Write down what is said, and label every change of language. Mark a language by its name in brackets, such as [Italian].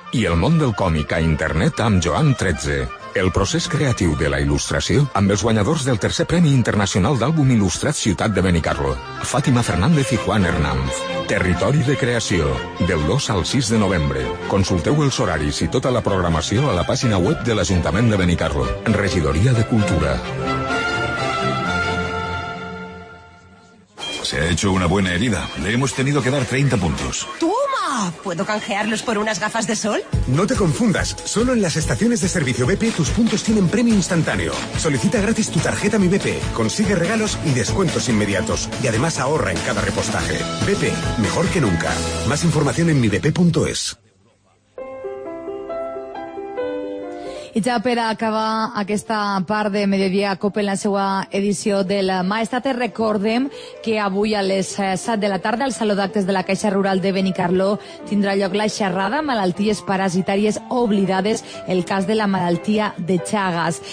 [Catalan] I el món del còmic a internet amb Joan XIII. El procés creatiu de la il·lustració amb els guanyadors del tercer Premi Internacional d'Àlbum Il·lustrat Ciutat de Benicarló, Fàtima Fernández i Juan Hernández. Territori de Creació, del 2 al 6 de novembre. Consulteu els horaris i tota la programació a la pàgina web de l'Ajuntament de Benicarló, Regidoria de Cultura. [Spanish] Se ha hecho una buena herida. Le hemos tenido que dar 30 puntos. ¿Tú? ¿Puedo canjearlos por unas gafas de sol? No te confundas, solo en las estaciones de servicio BP tus puntos tienen premio instantáneo. Solicita gratis tu tarjeta Mi BP, consigue regalos y descuentos inmediatos. Y además ahorra en cada repostaje. BP, mejor que nunca. Más información en mibp.es. [Catalan] I ja per acabar aquesta part de Mediodia COPE en la seva edició del Maestat, recordem que avui a les 7 de la tarda al Saló d'Actes de la Caixa Rural de Benicarló tindrà lloc la xerrada Malalties Parasitàries Oblidades, el cas de la malaltia de Chagas.